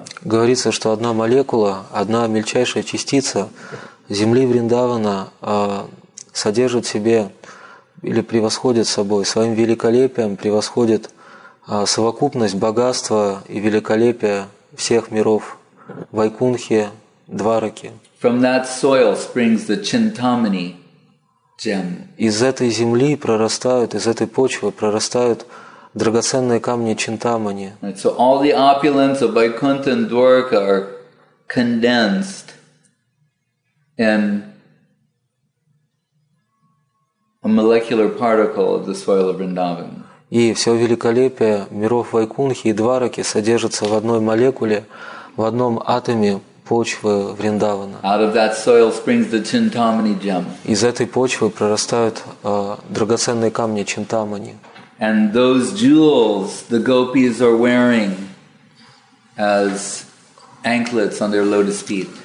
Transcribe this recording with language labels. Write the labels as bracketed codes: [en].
[ru] Говорится, что одна молекула, одна мельчайшая частица земли Вриндавана содержит в себе или превосходит собой, своим великолепием превосходит совокупность богатства и великолепия всех миров Вайкунхи, Двараки. [en] From that soil springs the Chintamani gem. [ru] Из этой земли прорастают, из этой почвы прорастают драгоценные камни Чинтамани. [en] Right, so all the opulence of Vaikuntha and Dwarka are condensed in a molecular particle of the soil of Vrindavan. [ru] И все великолепие миров Вайкунхи и Двараки содержится в одной молекуле, в одном атоме почвы Вриндавана. [en] Out of that soil springs the Chintamani gem. [ru] Из этой почвы прорастают драгоценные камни Чинтамани. [en] And those jewels the gopis are wearing as anklets on their lotus feet.